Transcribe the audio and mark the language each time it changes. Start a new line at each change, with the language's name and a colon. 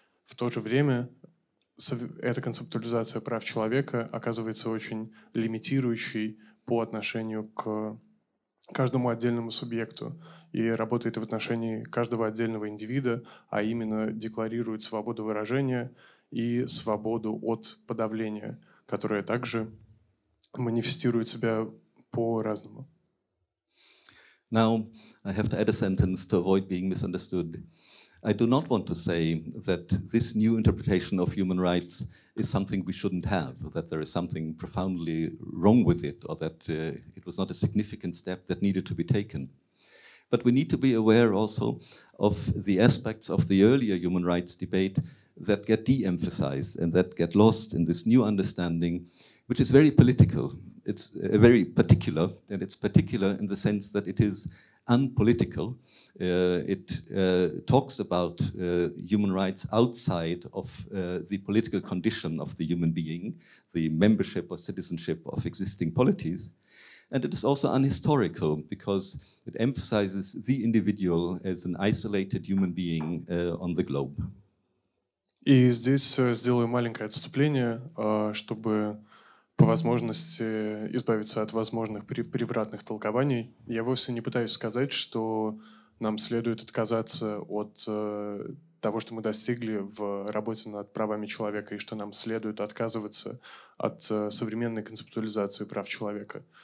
Russian: В то же время эта концептуализация прав человека оказывается очень лимитирующей по отношению к каждому отдельному субъекту и работает в отношении каждого отдельного индивида, а именно декларирует свободу выражения и свободу от подавления, которая также манифестирует себя по-разному.
English: Now I have to add a sentence to avoid being misunderstood. I do not want to say that this new interpretation of human rights is something we shouldn't have, that there is something profoundly wrong with it, or that it was not a significant step that needed to be taken. But we need to be aware also of the aspects of the earlier human rights debate that get de-emphasized and that get lost in this new understanding, which is very political. It's very particular, and it's particular in the sense that it is unpolitical. It talks about human rights outside of the political condition of the human being, the membership or citizenship of existing polities. And it is also unhistorical because it emphasizes the individual as an isolated human being on the globe.
Russian: И здесь сделаю маленькое отступление, чтобы по возможности избавиться от возможных превратных толкований. Я вовсе не пытаюсь сказать, что нам следует отказаться от того, что мы достигли в работе над правами человека, и что нам следует отказываться от современной концептуализации прав человека.